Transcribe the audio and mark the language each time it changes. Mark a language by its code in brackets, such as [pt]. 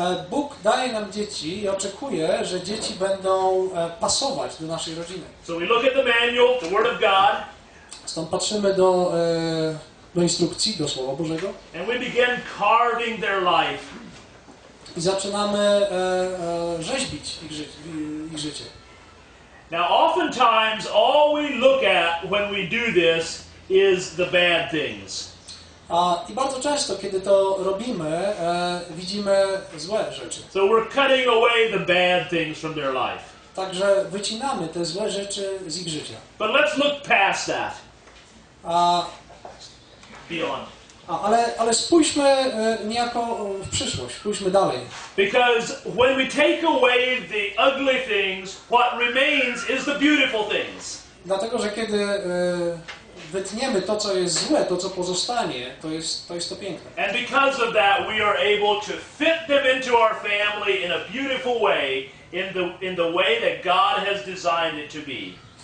[pl] Bóg daje nam dzieci i oczekuje, że dzieci będą pasować do naszej rodziny. [en] So we look at the manual, the word of God. [pl] Stąd patrzymy do instrukcji, do Słowa Bożego. [en] And we begin carving their life. [pl] I zaczynamy rzeźbić ich życie. [en] Now oftentimes all we look at when we do this is the bad things. [pl] I bardzo często, kiedy to robimy, widzimy złe rzeczy. [en] So we're cutting away the bad things from their life. [pl] Także wycinamy te złe rzeczy z ich życia. [en] But let's look past that. Beyond. [pl] Ale spójrzmy niejako w przyszłość, spójrzmy dalej. [en] Because when we take away the ugly things, what remains is the beautiful things. [pl] Dlatego, że kiedy wytniemy to, co jest złe, to, co pozostanie, to jest to piękne. [en] And because of that, we are able to fit them into our family in a beautiful way, in the way that God has designed it to be.